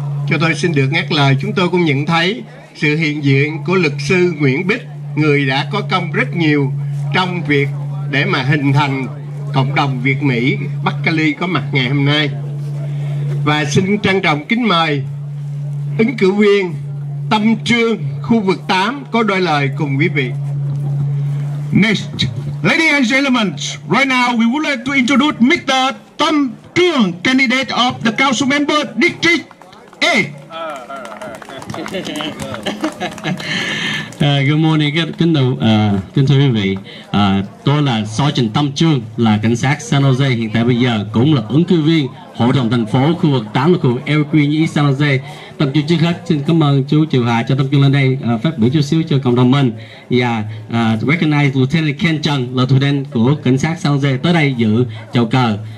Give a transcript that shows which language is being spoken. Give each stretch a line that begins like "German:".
Vietnamese: Cho tôi xin được ngắt lời, chúng tôi cũng nhận thấy sự hiện diện của luật sư Nguyễn Bích, người đã có công rất nhiều trong việc để mà hình thành cộng đồng Việt Mỹ Bắc Cali có mặt ngày hôm nay. Và xin trân trọng kính mời ứng cử viên Tâm Trương khu vực 8 có đôi lời cùng quý vị.
English: Next, ladies and gentlemen, right now we would like to introduce Mr. Tâm Trương, candidate of the council member district 8. Good morning,
Vietnamese: kính thưa quý vị. Tôi là Sergeant Tâm Trương, là cảnh sát San Jose, hiện tại bây giờ cũng là ứng cử viên hội đồng thành phố khu vực 8 là khu vực El Green East San Jose. Tâm Trương trước hết xin cảm ơn chú Triều Hà cho Tâm Trương lên đây phát biểu chút xíu cho cộng đồng mình và recognize Lieutenant Ken Trần là thủ đen của cảnh sát San Jose tới đây dự chào cờ.